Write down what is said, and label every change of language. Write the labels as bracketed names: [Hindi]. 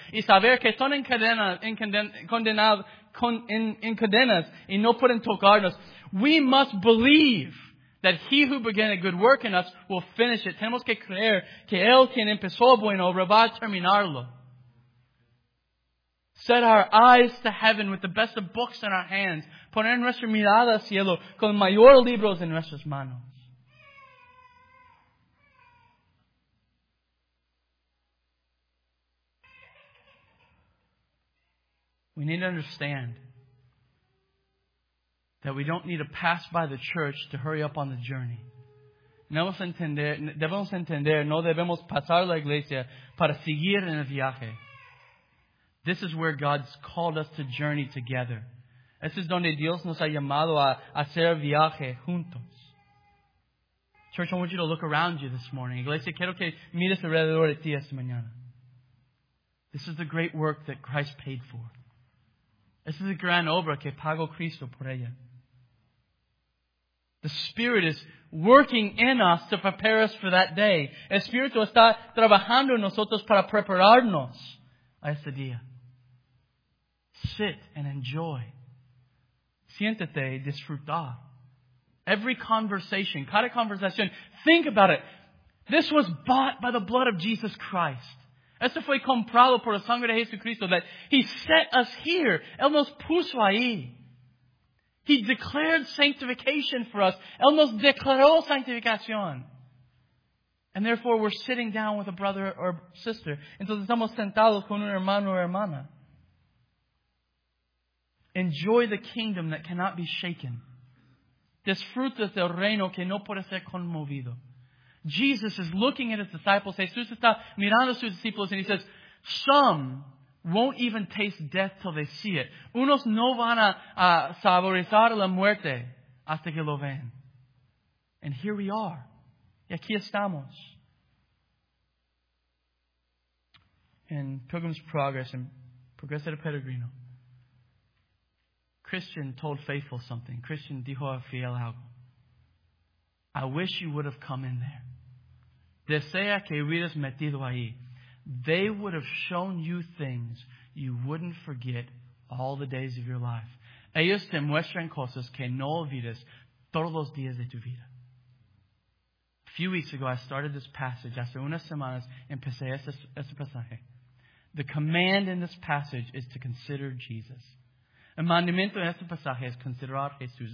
[Spanish] Y saber que son en cadenas y no pueden tocarnos. [English] We must believe that he who began a good work in us will finish it. [Spanish] Tenemos que creer que él quien empezó bueno va a terminarlo. [English] Set our eyes to heaven with the best of books in our hands. [Spanish] Poner nuestra mirada al cielo con mayor libros en nuestras manos. [English] We need to understand that we don't need to pass by the church to hurry up on the journey. [Spanish] Debemos entender, no debemos pasar la iglesia para seguir en el viaje. [English] This is where God's called us to journey together. [Spanish] Este es donde Dios nos ha llamado a hacer viaje juntos. [English] Church, I want you to look around you this morning. [Spanish] Iglesia, quiero que mires alrededor de ti esta mañana. [English] This is the great work that Christ paid for. [Spanish] Este es la gran obra que pagó Cristo por ella. [English] The Spirit is working in us to prepare us for that day. [Spanish] El Espíritu está trabajando en nosotros para prepararnos a ese día. [English] Sit and enjoy. [Spanish] Siéntate, disfruta. [English] Every conversation, [Spanish] cada conversación, [English] think about it. This was bought by the blood of Jesus Christ. [Spanish] Esto fue comprado por la sangre de Jesucristo, [English] that He set us here. [Spanish] Él nos puso ahí. [English] He declared sanctification for us. [Spanish] Él nos declaró sanctificación. [English] And therefore, we're sitting down with a brother or sister. [Spanish] Entonces, estamos sentados con un hermano o hermana. [English] Enjoy the kingdom that cannot be shaken. [Spanish] Disfruta del reino que no puede ser conmovido. [English] Jesus is looking at his disciples. [Spanish] Jesús está mirando a sus discípulos [English] and he says, some won't even taste death till they see it. [Spanish] Unos no van a saborizar la muerte hasta que lo ven. [English] And here we are. [Spanish] Y aquí estamos. [English] In Pilgrim's Progress and Progreso de Peregrino, Christian told Faithful something. [Spanish] Christian dijo a Fiel algo. [English] I wish you would have come in there. [Spanish] Desea que hubieras metido ahí. [English] They would have shown you things you wouldn't forget all the days of your life. [Spanish] Ellos te muestran cosas que no olvidas todos los días de tu vida. [English] A few weeks ago, I started this passage. [Spanish] Hace unas semanas, empecé este pasaje. [English] The command in this passage is to consider Jesus. [Spanish] El mandamiento en este pasaje es considerar Jesús.